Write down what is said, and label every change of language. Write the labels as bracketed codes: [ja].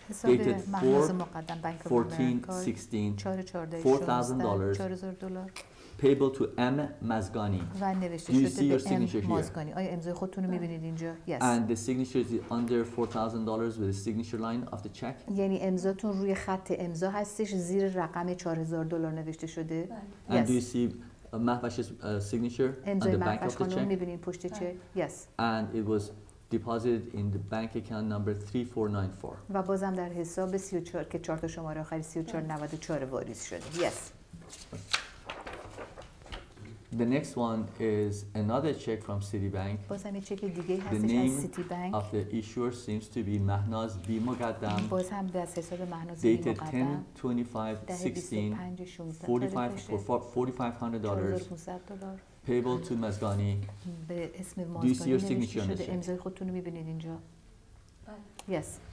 [en] Dated 4/14/16, $4,000, payable to M. Mazgani. Do you see your signature here? Yes. And the signature is under $4,000 with the signature line of the check? [fa] یعنی امضاتون روی خط امضا هستش زیر رقم $4,000 نوشته شده. [en] And do you see Mahvash's signature on the back of the check? Yes. And it was deposited in the bank account number 3494. [fa] و بازم در حساب 34 که چهار تا شماره آخری 3494 واریز شده. [en] Yes. The next one is another check from Citibank. [fa] بازم یه چک دیگه هستش از Citibank. [en] Of the issuer seems to be Mahnaz B. Moghaddam. [fa] بازم به حساب مهناز B. Moghaddam. [en] Dated 10/25/16. $4,500. payable to Mazgani. Do you see your signature on the check? Yes.